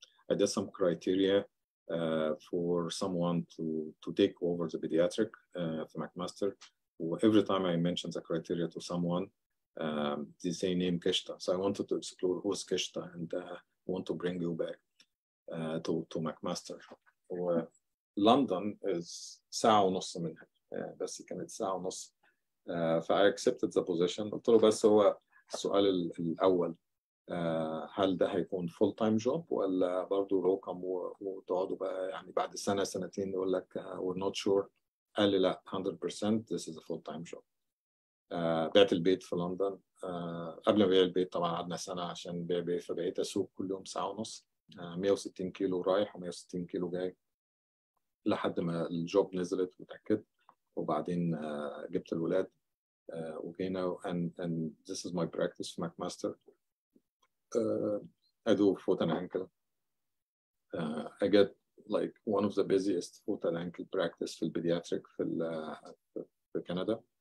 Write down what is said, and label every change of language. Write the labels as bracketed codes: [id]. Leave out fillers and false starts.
[en] I did some criteria for someone to take over the pediatric for McMaster. Every time I mention the criteria to someone, they say name Kishta. So I wanted to explore who's Kishta and want to bring you back to McMaster. London is [ar] ساعة ونص منها بس كانت ساعة ونص فا [en] I accepted the position. [ar] قلت له بس هو السؤال الأول هل ده هيكون [en] full time job [ar] ولا برضو روكم وتقعدوا بقى يعني بعد سنة سنتين يقول لك [en] we're not sure. [ar] قال لي لا [en] 100% this is a full time job. [ar] بعت البيت في لندن. قبل ما بيع البيت طبعا قعدنا سنة عشان بيع فبقيت أسوق كل يوم ساعة ونص 160 كيلو رايح و 160 كيلو جاي لحد ما الجوب نزلت متأكد وبعدين جبت الولاد وجينا [en] and this is my practice [ar] في McMaster. [en] I do foot and ankle. I get like one of the busiest foot and ankle practice [ar] في البيدياتريك في كندا.